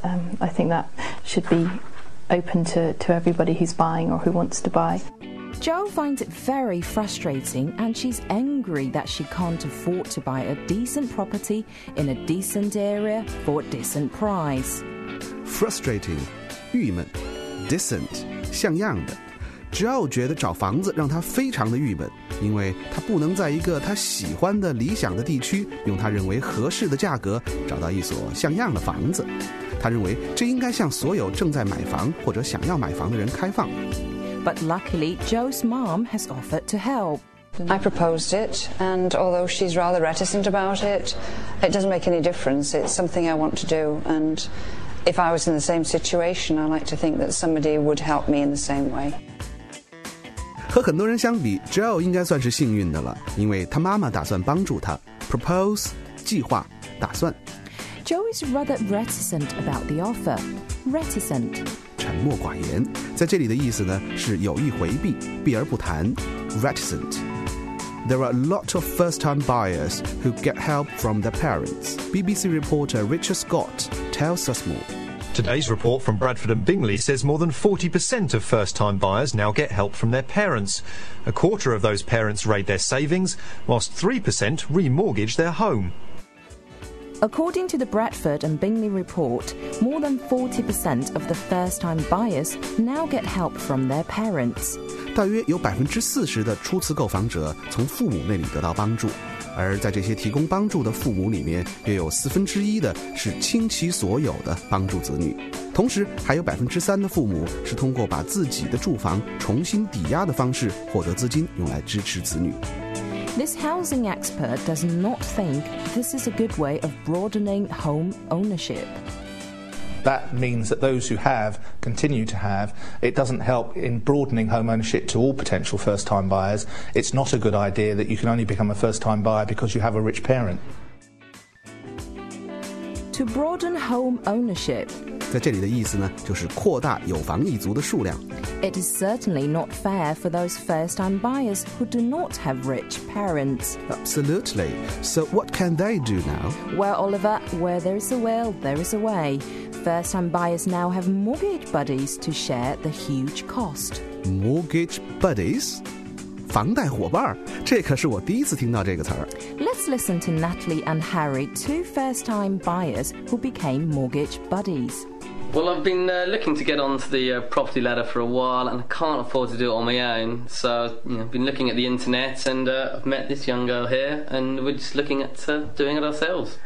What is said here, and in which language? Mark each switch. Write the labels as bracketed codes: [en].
[en] I think that should be open to everybody who's buying or who wants to buy. Jo finds it very frustrating, and she's angry that she can't afford to buy a decent property in a decent area for a decent price. [zh] Frustrating, 郁闷 decent, 像样的。 Jo 觉得找房子让他非常的郁闷，因为他不能在一个他喜欢的理想的地区用他认为合适的价格找到一所像样的房子。他认为这应该向所有正在买房或者想要买房的人开放。 [en] But luckily, Joe's mom has offered to help. I proposed it, and although she's rather reticent about it, it doesn't make any difference. It's something I want to do, and if I was in the same situation, I like to think that somebody would help me in the same way. [zh] 和很多人相比 ，Joe 应该算是幸运的了，因为他妈妈打算帮助他。 Propose, 计划，打算。 [en] Joe is rather reticent about the offer. Reticent. [zh] 沉默寡言，在这里的意思呢是有意回避，避而不谈。 [en] Reticent. There are a lot of first-time buyers who get help from their parents. BBC reporter Richard Scott tells us more. Today's report from Bradford and Bingley says more than 40% of first-time buyers now get help from their parents. A quarter of those parents raid their savings, whilst 3% remortgage their home. According to the Bradford and Bingley report, more than 40% of the first-time buyers now get help from their parents. [zh] 大约有40%的初次购房者从父母那里得到帮助，而在这些提供帮助的父母里面，约有1/4的是倾其所有的帮助子女。同时，还有3%的父母是通过把自己的住房重新抵押的方式获得资金，用来支持子女。 [en] This housing expert does not think this is a good way of broadening home ownership. That means that those who have continue to have. It doesn't help in broadening home ownership to all potential first-time buyers. It's not a good idea that you can only become a first-time buyer because you have a rich parent. To broaden home ownership. [zh] 在这里的意思呢，就是扩大有房一族的数量。 [en] It is certainly not fair for those first-time buyers who do not have rich parents. Absolutely. So what can they do now? Well, Oliver, where there is a will, there is a way. First-time buyers now have mortgage buddies to share the huge cost. Mortgage buddies? [zh] 房贷伙伴，这可是我第一次听到这个词儿。 [en] Let's listen to Natalie and Harry, two first-time buyers who became mortgage buddies. Well, I've been looking to get onto the property ladder for a while, and I can't afford to do it on my own. So, I've been looking at the internet, and I've met this young girl here, and we're just looking at doing it ourselves.